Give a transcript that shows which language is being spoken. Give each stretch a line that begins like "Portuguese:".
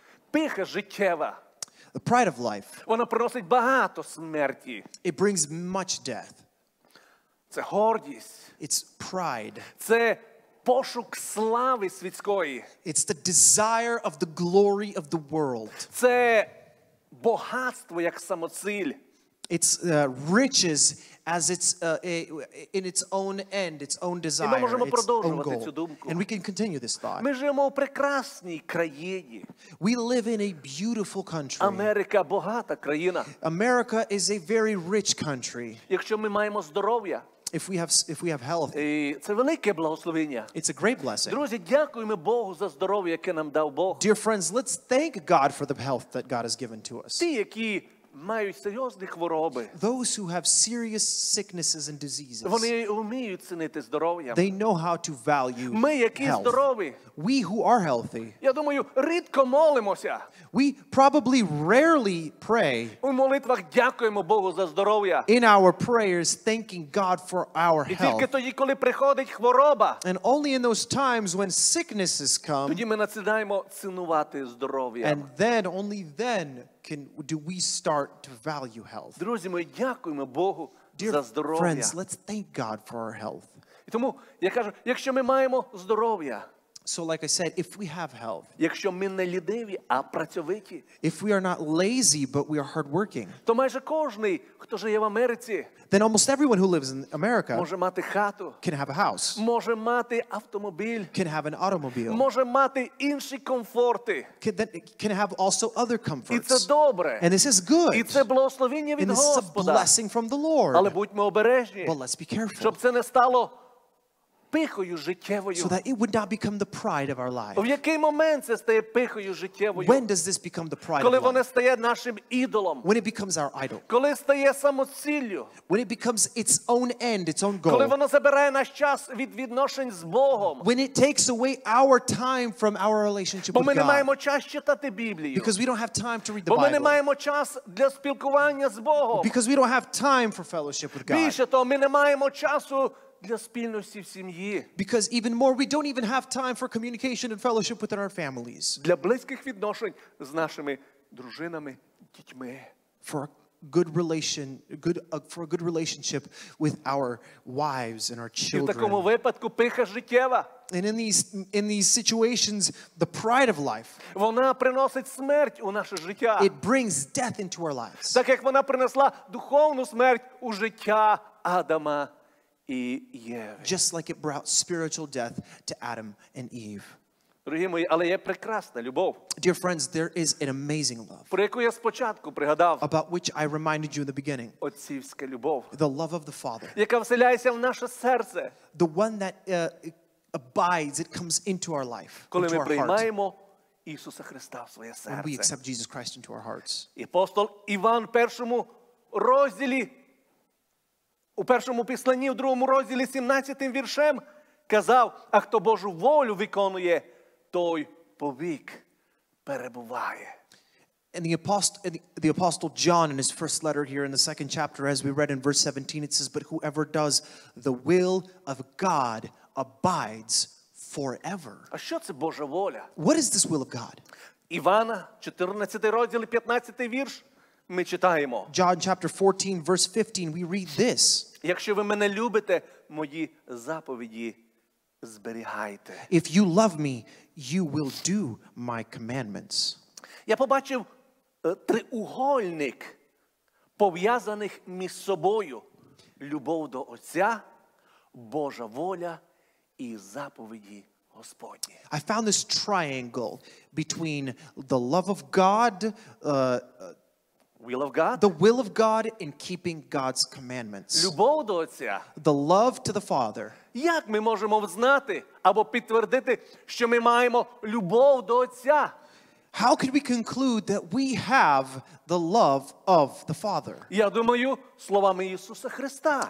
Ukrainian: Пиха життєва.
English: The pride of life.
Ukrainian: Вона приносить багато смерті.
English: It brings much death.
Ukrainian: Це гордість.
English: It's pride.
Ukrainian: Це пошук слави світської.
English: It's the desire of the glory of the world.
Ukrainian: Це багатство як самоціль.
English: It's riches as its in its own end, its own desire.
Ukrainian: Ми можемо продовжувати цю думку.
English: And we can continue this thought.
Ukrainian: Ми живемо у прекрасній країні.
English: We live in a beautiful country.
Ukrainian: Америка багата країна.
English: America is a very rich country.
Ukrainian: Якщо ми маємо здоров'я,
English: If we have health,
Ukrainian: це велике благословення.
English: It's a great blessing.
Ukrainian: Друзі, дякуємо Богу за здоров'я, яке нам дав Бог.
English: Dear friends, let's thank God for the health that God has given to us.
Ukrainian: Ті, які мають серйозні хвороби.
English: Those who have serious sicknesses and diseases.
Ukrainian: Вони вміють цінити здоров'я.
English: They know how to value
Ukrainian: ми, які
English: health.
Ukrainian: Здорові.
English: We who are healthy.
Ukrainian: Я думаю, рідко молимося.
English: We probably rarely pray.
Ukrainian: У молитвах дякуємо Богу за здоров'я.
English: In our prayers, thanking God for our health.
Ukrainian: І тільки тоді, коли приходить хвороба.
English: And only in those times when sicknesses come.
Ukrainian: Тоді ми починаємо цінувати здоров'я.
English: And then, only then, do we start to value health.
Ukrainian: Друзі мої, дякуємо Богу за здоров'я.
English: Friends, let's thank God for our health.
Ukrainian: І тому, я кажу, якщо ми маємо здоров'я,
English: so like I said, if we have health,
Ukrainian: якщо ми не лідиві, а працьовиті,
English: if we are not lazy, but we are hardworking,
Ukrainian: то майже кожний, хто живе в Америці,
English: then almost everyone who lives in America
Ukrainian: може мати хату,
English: can have a house,
Ukrainian: може мати автомобіль,
English: can have an automobile,
Ukrainian: може мати інші комфорти,
English: can have also other comforts.
Ukrainian: І це добре.
English: And this is good.
Ukrainian: І це благословення від Господа.
English: And this is a blessing from the Lord.
Ukrainian: Але будьмо обережні,
English: but let's be careful,
Ukrainian: щоб це не стало пихою життєвою.
English: So that it would not become the pride of our life.
Ukrainian: В який момент це стає пихою життєвою?
English: When does this become the pride of life?
Ukrainian: Коли воно стає нашим ідолом.
English: When it becomes our idol.
Ukrainian: Коли стає самоціллю.
English: When it becomes its own end, its own goal.
Ukrainian: Коли воно забирає наш час від відношень з Богом.
English: When it takes away our time from our relationship with God.
Ukrainian: Бо ми не маємо час читати Біблію.
English: Because we don't have time to read the Bible.
Ukrainian: Бо ми не маємо час для спілкування з Богом.
English: Because we don't have time for fellowship with God.
Ukrainian: Більше того, ми не маємо часу для спільності в сім'ї.
English: Because even more, we don't even have time for communication and fellowship within our families.
Ukrainian: Для близьких відношень з нашими дружинами, дітьми.
English: For a good relation, for a good relationship with our wives and our children.
Ukrainian: І в такому випадку пиха життєва.
English: And in these situations, the pride of life.
Ukrainian: Вона приносить смерть у наше життя.
English: It brings death into our lives.
Ukrainian: Так як вона принесла духовну смерть у життя Адама.
English: Just like it brought spiritual death to Adam and Eve.
Ukrainian: Дорогі мої, але є прекрасна любов.
English: Dear friends, there is an amazing love.
Ukrainian: Про яку я спочатку пригадав.
English: About which I reminded you in the beginning.
Ukrainian: Отцівська любов.
English: The love of the Father.
Ukrainian: Яка вселяється в наше серце.
English: The one that abides, it comes into our life.
Ukrainian: Коли ми приймаємо Ісуса Христа в своє серце.
English: When we accept Jesus Christ into our hearts.
Ukrainian: Апостол Іван в першому розділі. У першому посланні, в другому розділі, 17-м віршем, казав, а хто Божу волю виконує, той повік перебуває.
English: And the apostle John, in his first letter here in the second chapter, as we read in verse 17, it says, but whoever does the will of God abides forever.
Ukrainian: А що це Божа воля?
English: What is this will of God?
Ukrainian: Івана, 14-й розділ, 15-й вірш, ми читаємо.
English: John chapter 14, verse 15, we read this.
Ukrainian: Якщо ви мене любите, мої заповіді зберігайте.
English: If you love me, you will do my commandments.
Ukrainian: Я побачив триугольник пов'язаних між собою: любов до Отця, Божа воля і заповіді Господні.
English: I found this triangle between the love of God, will of God, the will of God in keeping God's commandments,
Ukrainian: любов до Отця,
English: the love to the Father.
Ukrainian: Як ми можемо знати або підтвердити, що ми маємо любов до Отця?
English: How could we conclude that we have the love of the Father?
Ukrainian: Я думаю, словами Ісуса Христа.